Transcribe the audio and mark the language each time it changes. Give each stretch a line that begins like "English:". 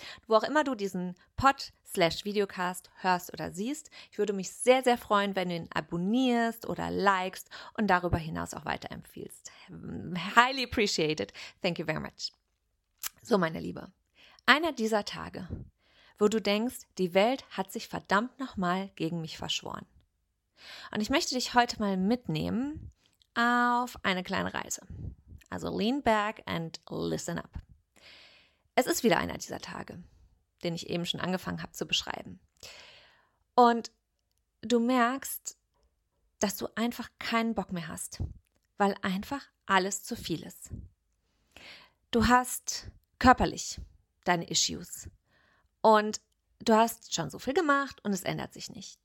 German: Wo auch immer du diesen Pod/Videocast hörst oder siehst, ich würde mich sehr, sehr freuen, wenn du ihn abonnierst oder likest und darüber hinaus auch weiterempfiehlst.
English: Highly appreciated. Thank you very much.
German: So, meine Liebe, einer dieser Tage, wo du denkst, die Welt hat sich verdammt nochmal gegen mich verschworen. Und ich möchte dich heute mal mitnehmen auf eine kleine Reise.
English: Also lean back and listen up.
German: Es ist wieder einer dieser Tage, den ich eben schon angefangen habe zu beschreiben. Und du merkst, dass du einfach keinen Bock mehr hast, weil einfach alles zu viel ist. Du hast körperlich deine Issues und du hast schon so viel gemacht und es ändert sich nicht.